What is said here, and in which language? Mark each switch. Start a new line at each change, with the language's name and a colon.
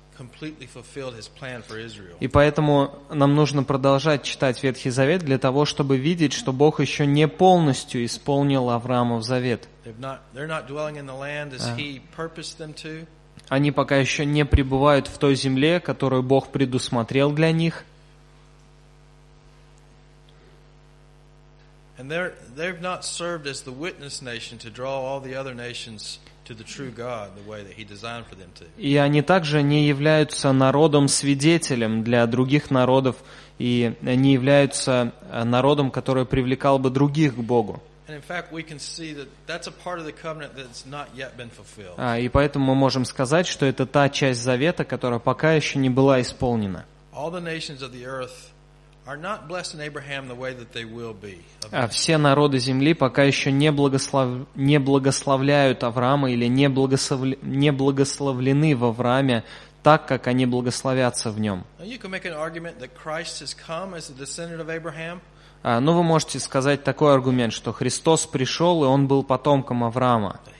English: Completely fulfilled his plan for Israel.
Russian: И поэтому нам нужно продолжать читать Ветхий Завет для того, чтобы видеть, что Бог еще не полностью исполнил Авраамов завет. Они пока еще не пребывают в той земле, которую Бог предусмотрел для них.
English: And they've not served as the witness nation to draw all the other nations to the true God the way that he designed for them to.
Russian: И они также не являются народом-свидетелем для других народов и не являются народом, который привлекал бы других к Богу.
English: And in fact, we can see that that's a part of the covenant that's not yet been fulfilled.
Russian: И поэтому мы можем сказать, что это та часть завета, которая пока еще не была исполнена.
English: All the nations of the earth are not blessing Abraham the way that they will be.
Russian: Все народы земли пока еще не благословляют Авраама или не благословлены в Аврааме так, как они благословятся в нем.
English: You can make an argument that Christ has come as a descendant of Abraham.
Russian: Ну, вы можете сказать такой аргумент, что Христос пришел, и Он был потомком Авраама.